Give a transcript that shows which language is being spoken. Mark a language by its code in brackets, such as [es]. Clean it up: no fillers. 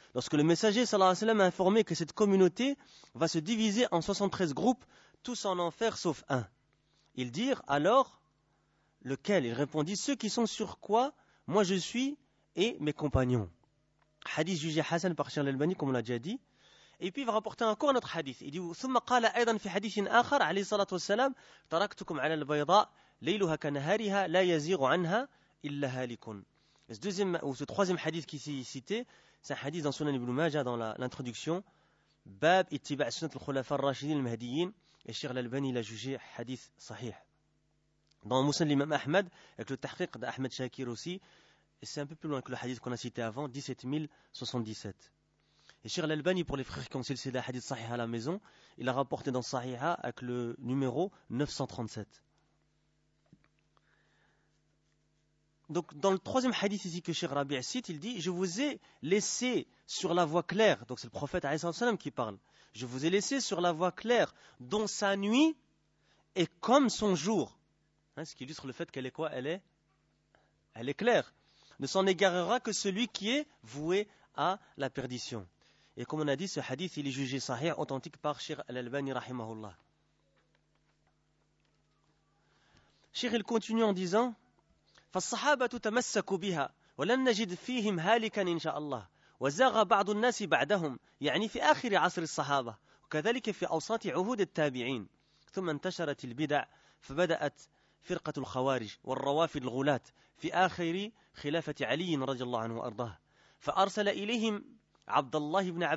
[fr] Lorsque le messager, sallallahu alayhi wa sallam, a informé que cette communauté va se diviser en 73 groupes, tous en enfer sauf un. Ils dirent alors, lequel ? Il répondit, ceux qui sont sur quoi moi je suis et mes compagnons. Hadith jugé Hassan par Cheikh al-Albani, comme on l'a déjà dit. Et puis il va rapporter encore un autre hadith. Il dit, [ar] ثم قال أيضا في حديث آخر عليه الصلاة والسلام تركتكم على البيضاء ليلها كنهارها لا يزيغ عنها إلا هالكون. [fr] Ce troisième hadith qui s'est cité, c'est un hadith dans Sunan Ibn Majah, dans l'introduction. [ar] Bab ittiba' sunnat al-khulafa al-rashidin al-mahdiyin. [fr] Et Cheikh al-Albani l'a jugé hadith sahih. Dans Musnad l'imam Ahmed, avec le tahqiq d'Ahmed Shakir aussi, et c'est un peu plus loin que le hadith qu'on a cité avant, 17077. Et Cheikh al-Albani, pour les frères qui ont cité le hadith sahih à la maison, il a rapporté dans Sahiha avec le numéro 937. Donc, dans le troisième hadith ici que Cheikh Rabi' cite, il dit « Je vous ai laissé sur la voie claire. » Donc, c'est le prophète A.S. qui parle. « Je vous ai laissé sur la voie claire dont sa nuit est comme son jour. Hein, » ce qui illustre le fait qu'elle est quoi ? Elle est claire. « Ne s'en égarera que celui qui est voué à la perdition. » Et comme on a dit, ce hadith, il est jugé sahih, authentique par Cheikh Al-Albani, rahimahullah. Cheikh, il continue en disant [ar] « فالصحابة تمسكوا بها ولن نجد فيهم هالكا إن شاء الله وزاغ بعض الناس بعدهم يعني في آخر عصر الصحابة وكذلك في أوساط عهود التابعين ثم انتشرت البدع فبدأت فرقة الخوارج والروافد الغلاة في آخر خلافة علي رضي الله عنه وأرضاه فأرسل إليهم عبد الله